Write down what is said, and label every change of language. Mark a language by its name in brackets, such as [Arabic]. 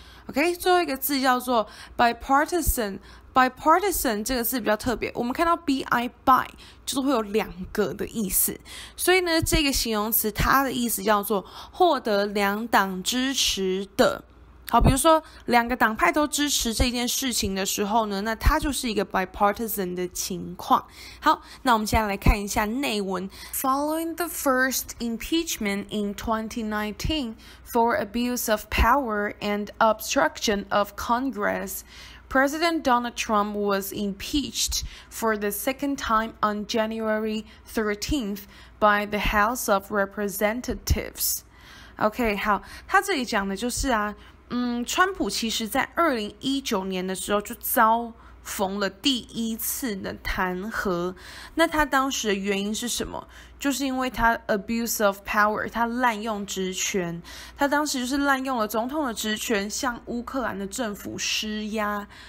[Chinese] OK， 最后一个字叫做 bipartisan。Bipartisan 这个字比较特别，我们看到 bi 就是会有两个的意思，所以呢，这个形容词它的意思叫做获得两党支持的。好，比如说两个党派都支持这件事情的时候呢，那它就是一个 bipartisan 的情况。好，那我们接下来看一下内文。 [English] Following the first impeachment in 2019 for abuse of power and obstruction of Congress, President Donald Trump was impeached for the second time on January 13th by the House of Representatives. [Chinese] OK, 好，他这里讲的就是啊，川普其实在2019年的时候就遭逢了第一次的弹劾，那他当时的原因是什么，就是因为他 abuse of power，他滥用职权，他当时就是滥用了总统的职权向乌克兰的政府施压，